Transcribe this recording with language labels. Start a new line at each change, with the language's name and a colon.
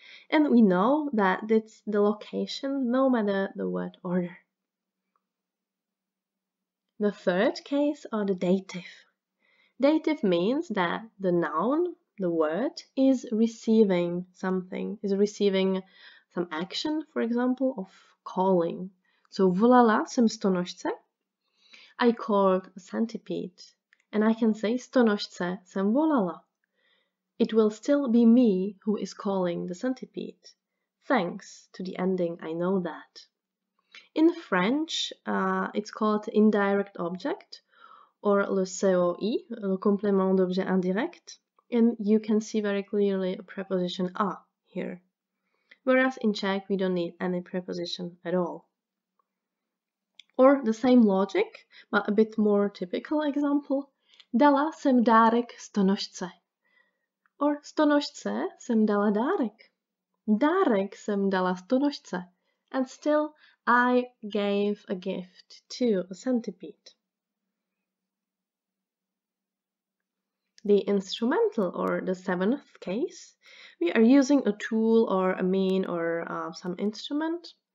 English: And we know that it's the location, no matter the word order. The third case are the dative. Dative means that the noun, the word, is receiving something, is receiving some action, for example, of calling.
Czech: So, volala jsem stonožce.
English: I called a centipede, and I can say
Czech: stonožce jsem volala.
English: It will still be me who is calling the centipede. Thanks to the ending, I know that. In French, it's called indirect object, or
French: le COI, le complément d'objet indirect,
English: and you can see very clearly a preposition a here. Whereas in Czech, we don't need any preposition at all. Or the same logic, but a bit more typical example.
Czech: Dala jsem dárek stonožce. Or stonožce jsem dala dárek. Dárek jsem dala stonožce.
English: And still, I gave a gift to a centipede. The instrumental, or the seventh case. We are using a tool or a mean or some instrument.